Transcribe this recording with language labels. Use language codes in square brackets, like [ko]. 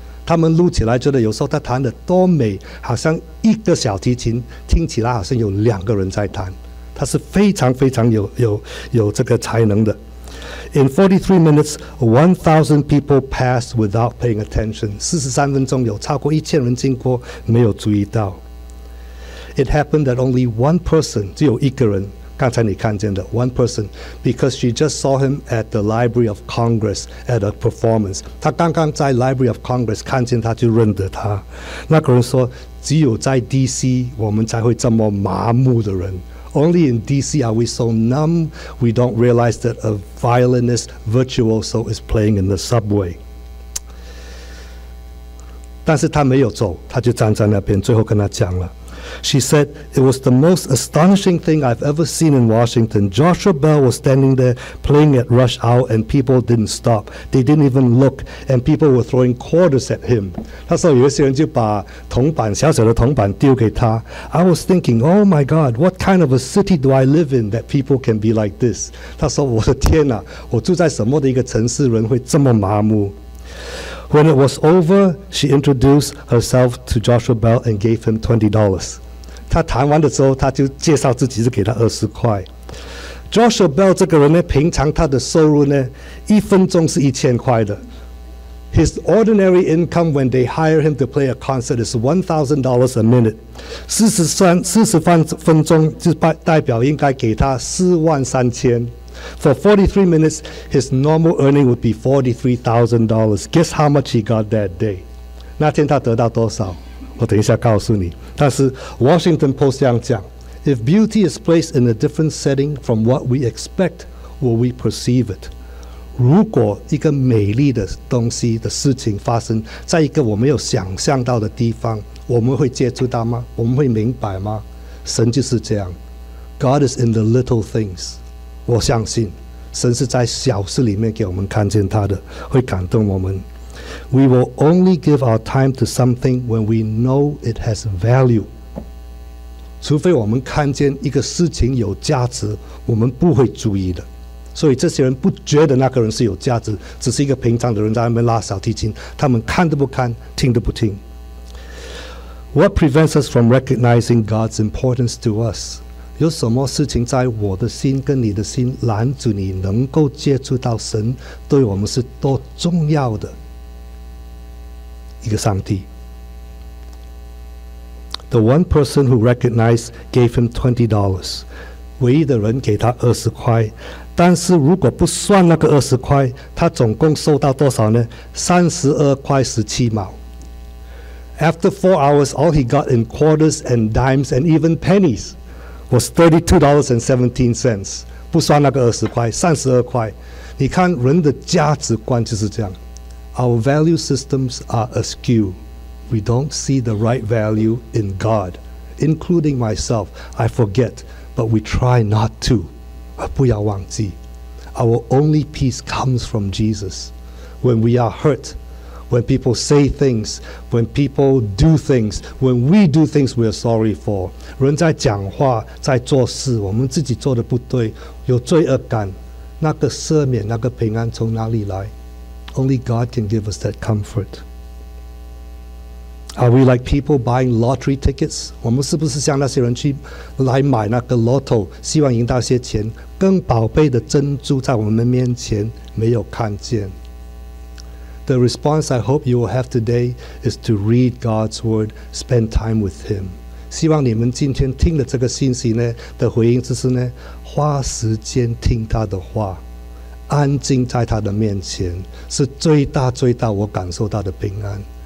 [zh] 他们录起来觉得有时候他弹得多美，好像一个小提琴，听起来好像有两个人在弹。他是非常非常有这个才能的。 [en] In 43 minutes, 1,000 people passed without paying attention. [zh] 43分钟有超过1000人经过，没有注意到。 [en] It happened that only one person, [zh] 只有一个人，刚才你看见的 [en] one person, because she just saw him at the Library of Congress at a performance. [zh] 他刚刚在 Library of Congress 看见他就认得他。那个人说，只有在 DC 我们才会这么麻木的人。 [en] Only in DC are we so numb, we don't realize that a violinist virtuoso is playing in the subway. [zh] 但是他没有走，他就站在那边，最后跟他讲了。 [en] She said, it was the most astonishing thing I've ever seen in Washington. Joshua Bell was standing there playing at rush hour and people didn't stop. They didn't even look and people were throwing quarters at him. [zh] 他说有些人就把铜板小小的铜板丢给他。 [en] I was thinking, oh my God, what kind of a city do I live in that people can be like this? [zh] 他说我的天哪，我住在什么的一个城市，人会这么麻木。 [en] When it was over, she introduced herself to Joshua Bell and gave him $20. [zh] 他弹完的时候，他就介绍自己，就给他20块。 Joshua Bell 这个人呢，平常他的收入呢，一分钟是1000块的。 [en] His ordinary income when they hire him to play a concert is $1,000 a minute. [zh] 四十分钟就代表应该给他43000。 [en] For 43 minutes, his normal earning would be $43,000. Guess how much he got that day? [zh] 那天他得到多少？我等一下告诉你。但是 [en] Washington Post [zh] 这样讲 [en] If beauty is placed in a different setting from what we expect, will we perceive it? [zh] 如果一个美丽的东西的事情发生在一个我没有想象到的地方，我们会接触到吗？我们会明白吗？神就是这样。 [en] God is in the little things. [zh] 我相信神是在小事里面给我们看见他的，会感动我们。 We will only give our time to something when we know it has value. 除非我们看见一个事情有价值，我们不会注意的。所以这些人不觉得那个人是有价值，只是一个平常的人在那边拉小提琴，他们看都不看，听都不听。 [en] What prevents us from recognizing God's importance to us? [zh] 有什么事情在我的心跟你的心拦阻你能够接触到神对我们是多重要的一个上帝？ [en] The one person who recognized gave him $20. [zh] 唯一的人给他20块，但是如果不算那个20块，他总共收到多少呢？ 32块17毛。 [en] After 4 hours, all he got in quarters and dimes and even pennies was $32.17. [zh] 不算那个二十块，三十二块。你看人的价值观就是这样。 [en] Our value systems are askew. We don't see the right value in God, including myself. I forget, but we try not to. [zh] 不要忘记。 [en] Our only peace comes from Jesus. When we are hurt,When people say things, when people do things, when we do things we are sorry for. [zh] 人在讲话，在做事，我们自己做的不对，有罪恶感，那个赦免，那个平安从哪里来？ [en] Only God can give us that comfort. Are we like people buying lottery tickets? [zh] 我们是不是像那些人去来买那个 lotto, 希望赢到些钱，更宝贝的珍珠在我们面前没有看见。 [en] The response I hope you will have today is to read God's word, spend time with Him. [zh] 希望你们今天听了这个信息呢的回应就是呢，花时间听他的话，安静在他的面前，是最大最大我感受到的平安。